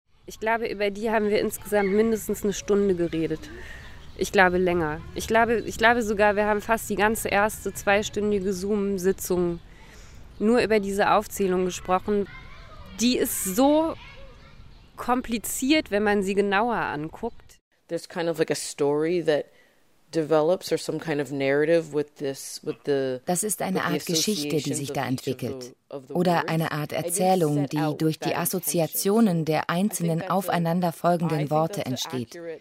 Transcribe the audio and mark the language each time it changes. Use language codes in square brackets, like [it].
[de] Ich glaube, über die haben wir insgesamt mindestens eine Stunde geredet. Ich glaube, länger. Ich glaube sogar, wir haben fast die ganze erste 2-stündige Zoom-Sitzung nur über diese Aufzählung gesprochen. Die ist so kompliziert, wenn man sie genauer anguckt. [en] There's kind of like a story that develops or some kind of narrative with the. [de] Das ist eine Art Geschichte, die sich da entwickelt. Oder eine Art Erzählung, die durch die Assoziationen der einzelnen aufeinanderfolgenden Worte entsteht.